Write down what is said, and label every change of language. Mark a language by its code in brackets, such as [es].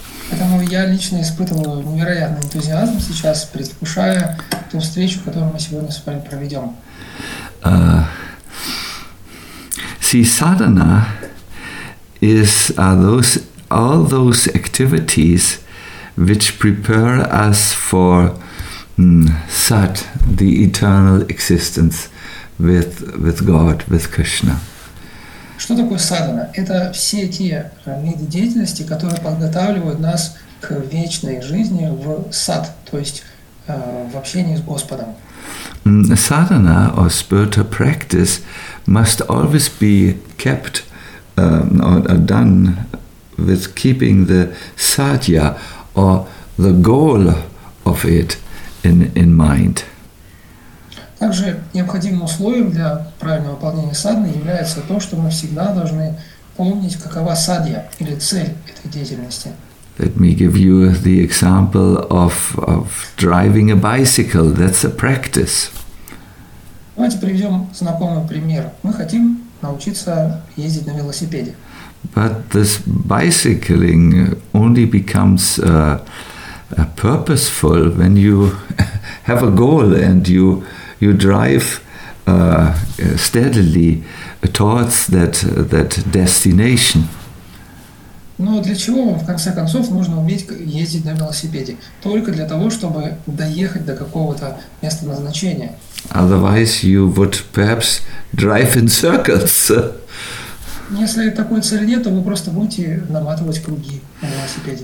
[ru] Поэтому я лично испытывал невероятный энтузиазм сейчас, предвкушая ту встречу, которую мы сегодня с вами проведем. [en] See, sadhana is all those activities which prepare us for sat, the eternal existence with God, with Krishna. [ru] Что такое садхана? Это все те виды деятельности, которые подготавливают нас к вечной жизни в сад, то есть в общении с Господом. [en] Sadhana or spiritual practice must always be kept or done with keeping the satya or the goal of it in mind. [ru] Также необходимым условием для правильного выполнения садханы является то, что мы всегда должны помнить, какова садья или цель этой деятельности. [en] Let me give you the example of driving a bicycle. That's a practice. [ru] Давайте приведем знакомый пример. Мы хотим научиться ездить на велосипеде. [en] But this bicycling only becomes purposeful when you have a goal and you drive steadily towards that destination. [ru] Но для чего вам, в конце концов, нужно уметь ездить на велосипеде? Только для того, чтобы доехать до какого-то места назначения. [en] Otherwise, you would perhaps drive in circles. [ru] Если такой цели нет, то вы просто будете наматывать круги на велосипеде.